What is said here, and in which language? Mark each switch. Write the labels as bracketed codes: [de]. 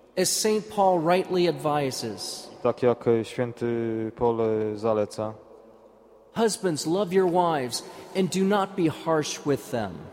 [en] As Saint Paul rightly advises, [pl] tak jak święty Paul zaleca, [en] husbands, love your wives and do not be harsh with them.